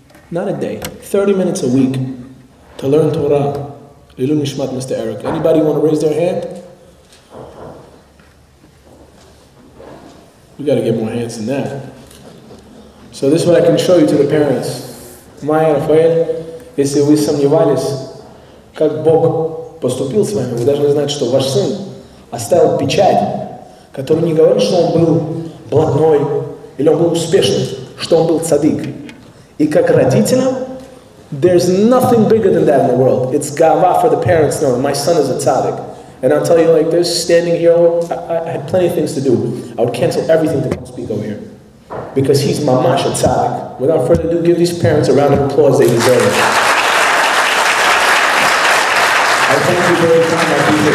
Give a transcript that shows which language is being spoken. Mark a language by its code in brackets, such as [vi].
[en] Not a day. 30 minutes a week. To learn Torah, Lilu Nishmat, Mr. Erik. Anybody want to raise their hand? We got to get more hands than that. So this is what I can show you to the parents. [ru] Maya Rafael, если вы сомневались, как Бог поступил с вами, вы должны знать, что ваш сын оставил печать, который не говорит, что он был блатной, или он был успешным, что он был цадик. И как родителям, [en] there's nothing bigger than that in the world. It's gava for the parents knowing my son is a tzaddik. And I'll tell you like this, standing here, I had plenty of things to do. I would cancel everything to come speak over here. Because he's mamash a tzaddik. Without further ado, give these parents a round of applause they deserve. I thank you very much.